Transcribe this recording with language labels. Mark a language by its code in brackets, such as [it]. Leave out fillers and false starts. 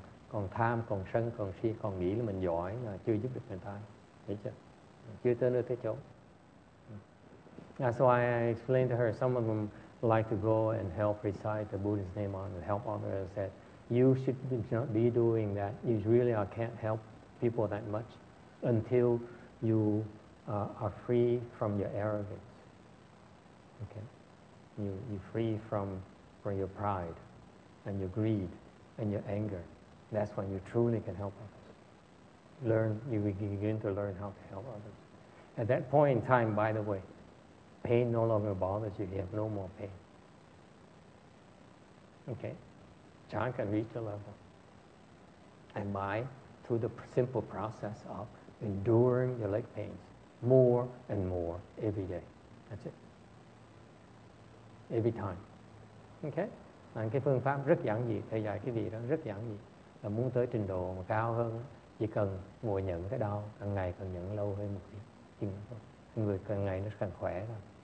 [vi] Còn tham, còn sân, còn si, còn nghĩ là mình giỏi là chưa giúp được người ta. Thấy chưa? Chưa tới nơi tới chỗ. [en] That's why I explained to her, some of them like to go and help recite the Buddha's name on and help others. That you should not be doing that. You really can't help people that much until you are free from your arrogance. Okay? You're free from your pride and your greed and your anger. That's when you truly can help others. You begin to learn how to help others. At that point in time, by the way, pain no longer bothers you. You have no more pain. Okay? Chan can reach a level. And by, through the simple process of enduring your leg pains more and more every day. That's it. Every time. Okay? [vi] Là cái phương pháp rất giản dị. Thầy dạy cái gì đó rất giản dị. Là muốn tới trình độ mà cao hơn, chỉ cần ngồi nhận cái đau, càng ngày càng nhận lâu hơn một tí. Người càng ngày nó càng khỏe rồi.